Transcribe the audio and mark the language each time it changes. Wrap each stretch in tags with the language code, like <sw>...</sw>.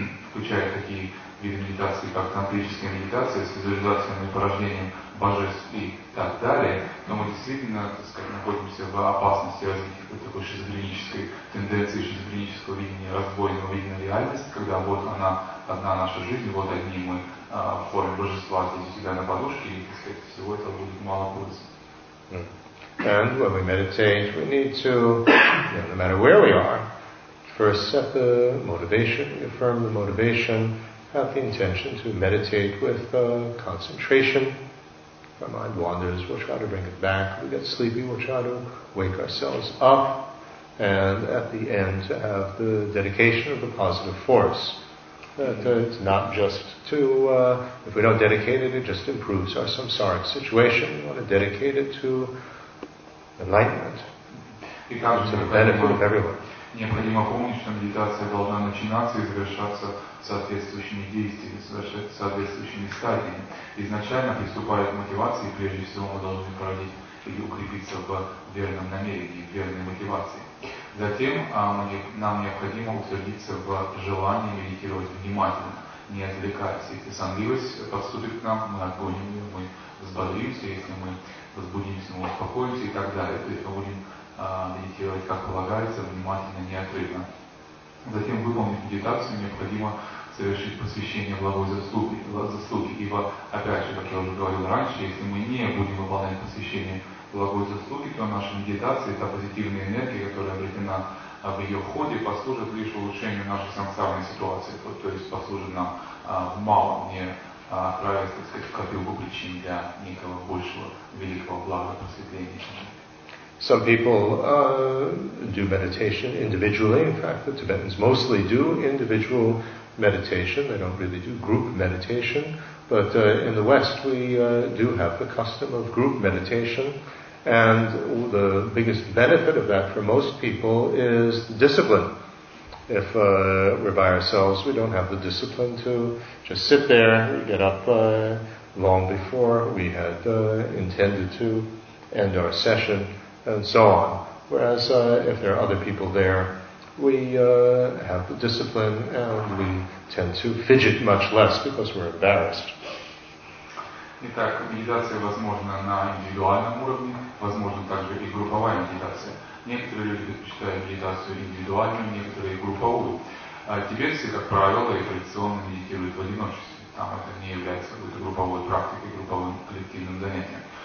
<ru>включает такие виды медитации, как тантрическая медитация с визуализацией упражнением божеств и так далее, то мы действительно, так сказать, находимся в опасности развития какой-то такой шизофренической тенденции, шизофренического видения, раздвоенного видения реальности, когда вот она, одна наша жизнь, вот одни мы в форме божества здесь у себя на подушке, и, так сказать, всего этого будет мало пользы.</ru> <en>And when we meditate, we need to, you know, no matter where we are, first set the motivation, affirm the motivation, have the intention to meditate with concentration. If our mind wanders, we'll try to bring it back. If we get sleepy, we'll try to wake ourselves up. And at the end, to have the dedication of the positive force. That it's not just to, if we don't dedicate it, it just improves our samsaric situation. We want to dedicate it to enlightenment, to the benefit of everyone.</en> <ru>Необходимо помнить, что медитация должна начинаться и завершаться соответствующими действиями, совершать соответствующими стадиями. Изначально, приступая к мотивации, прежде всего мы должны породить или укрепиться в верном намерении, в верной мотивации. Затем нам необходимо утвердиться в желании медитировать внимательно, не отвлекаясь. Если сонливость подступит к нам, мы отгоним ее, мы взбодримся, если мы возбудимся, мы успокоимся и так далее. То есть мы будем медитировать, как полагается, внимательно, неотрывно. Затем, выполнить медитацию, необходимо совершить посвящение благой заслуги. Ибо, опять же, как я уже говорил раньше, если мы не будем выполнять посвящение благой заслуги, то наша медитация, та позитивная энергия, которая обретена в ее ходе, послужит лишь улучшению нашей самсарной ситуации. То есть послужит нам в малом, не отправить, так сказать, в копилку причин для некого большего, великого блага, просветления.</ru> <en>Some people do meditation individually. In fact, the Tibetans mostly do individual meditation. They don't really do group meditation. But in the West, we do have the custom of group meditation. And the biggest benefit of that for most people is discipline. if we're by ourselves, we don't have the discipline to just sit there, get up long before we had intended to end our session, and so on. Whereas if there are other people there, we have the discipline and we tend to fidget much less because we're embarrassed.</en> <ru>Итак, медитация возможна на индивидуальном уровне, возможно также и групповая медитация. Некоторые люди предпочитают медитацию индивидуальную, некоторые групповую. А тибетцы, как правило, и традиционно медитируют в одиночестве. Там это не является какой-то групповой практикой, групповым коллективным занятием.</ru>